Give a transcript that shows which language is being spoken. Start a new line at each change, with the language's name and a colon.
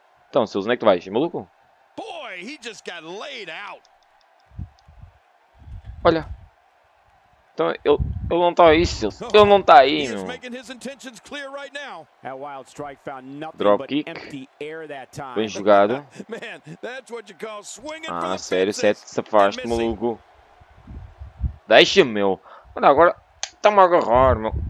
Portuguese: Então, Silas, onde é que tu vais? Maluco?
English: Boy, he just got laid out.
Portuguese: Olha. Então, ele não está aí, Silas. Ele não está aí, meu.
English: He's making his intentions clear right now. That wild strike found nothing but empty air that time.
Portuguese: Bem jogado.
English: Man, that's what you call swinging from the fences.
Portuguese: Ah, sério, Seth, se afaste, maluco. Deixa-me, meu. Olha, agora está-me a agarrar, meu.